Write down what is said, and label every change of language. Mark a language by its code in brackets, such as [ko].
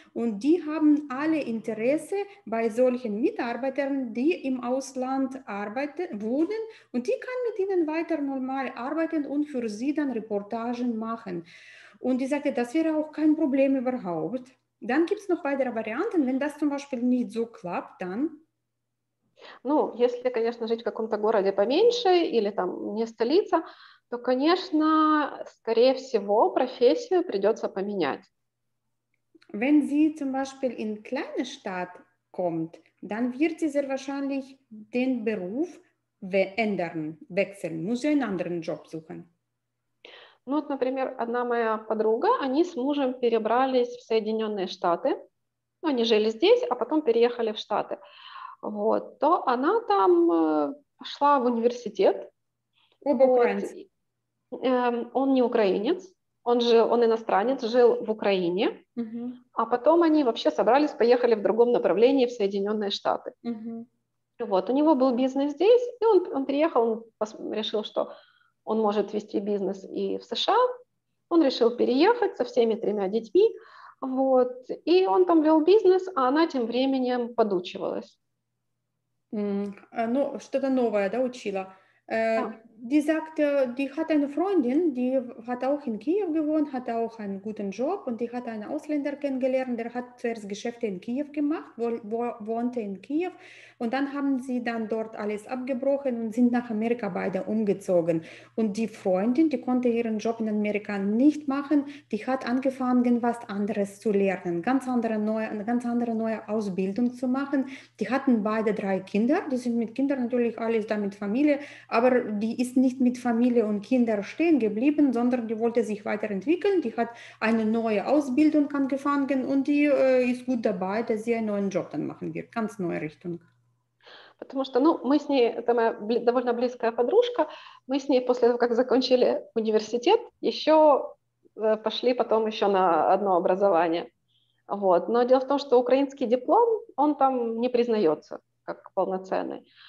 [de] Und die haben alle Interesse bei solchen Mitarbeitern, die im Ausland arbeiten, wohnen. Und die kann mit ihnen weiter normal arbeiten und für sie dann Reportagen machen. Und die sagte, das wäre auch kein Problem überhaupt. Dann gibt es noch weitere Varianten. Wenn das zum Beispiel nicht so klappt, dann... [ru] Ну, если, конечно, жить в каком-то городе поменьше или там не столица, то, конечно, скорее всего, профессию придется поменять. [de] Wenn sie zum Beispiel in kleine Stadt kommt, dann wird sie sehr wahrscheinlich den Beruf ändern, wechseln, muss sie einen anderen Job suchen. [ru] Ну, вот, например, одна моя подруга, они с мужем перебрались в Соединенные Штаты. Ну, они жили здесь, а потом переехали в Штаты. Вот, то она там пошла в университет. Оба Вот. украинцы. Он не украинец, он иностранец, жил в Украине, а потом они вообще собрались, поехали в другом направлении в Соединенные Штаты. Вот, у него был бизнес здесь, и он приехал, он решил, что он может вести бизнес и в США. Он решил переехать со всеми тремя детьми, вот, и он там вел бизнес, а она тем временем подучивалась. Ну, что-то новое, да, учила. [de] Die sagt, die hat eine Freundin, die hat auch in Kiew gewohnt, hat auch einen guten Job und die hat einen Ausländer kennengelernt, der hat zuerst Geschäfte in Kiew gemacht, wohnte in Kiew und dann haben sie dann dort alles abgebrochen und sind nach Amerika beide umgezogen. Und die Freundin, die konnte ihren Job in Amerika nicht machen, die hat angefangen, was anderes zu lernen, eine ganz andere neue Ausbildung zu machen. Die hatten beide drei Kinder, die sind mit Kindern natürlich alles da mit Familie, aber die ist nicht mit Familie und Kindern stehen geblieben, sondern die wollte sich weiterentwickeln. Die hat eine neue Ausbildung angefangen und die ist gut dabei, dass sie einen neuen Job dann machen wird. Ganz neue Richtung. [ru] Потому что, ну, мы с ней, это моя довольно близкая подружка, мы с ней после того, как закончили университет, еще пошли потом еще на одно образование. Вот. Но дело в том, что украинский диплом, он там не признается как полноценный.